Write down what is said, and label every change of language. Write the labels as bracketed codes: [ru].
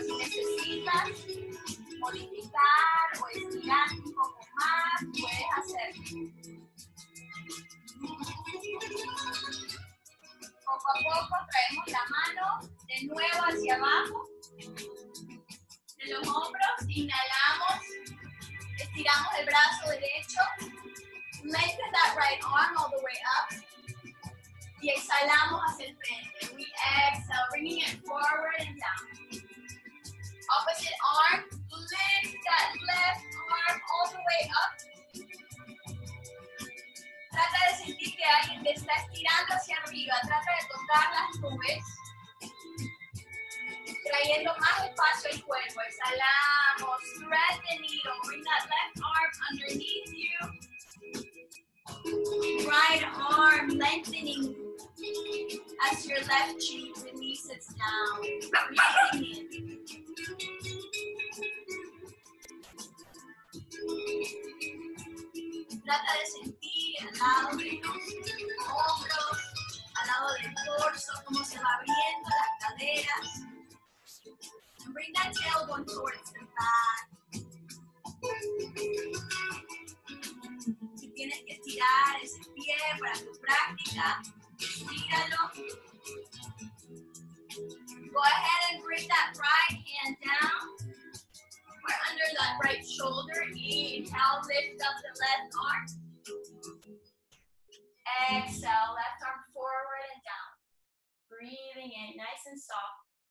[es] Si necesitas modificar o estirar un poco más, puedes hacerlo. Poco a poco traemos la mano de nuevo hacia abajo. De los hombros, inhalamos, estiramos el brazo derecho. [en] Lengthen that right arm all the way up. [es] Y exhalamos hacia el frente. [en] We exhale, bringing it forward and down. Opposite arm, lift that left arm all the way up. [es] Trata de sentir que alguien te está estirando hacia arriba. Trata de tocar las nubes. Trayendo más espacio al cuerpo. Exhalamos. [en] Thread the needle. Bring that left arm underneath you. Right arm lengthening as your left cheek releases down. Breathing in. [es] Trata de sentir al lado de los hombros, al lado del torso, como se va abriendo las caderas. [en] And bring that tailbone towards the back. [es] Tienes que estirar ese pie para tu práctica. Estíralo. [en] Go ahead and bring that right hand down. We're under that right shoulder. Inhale, lift up the left arm. Exhale, left arm forward and down. Breathing in, nice and soft.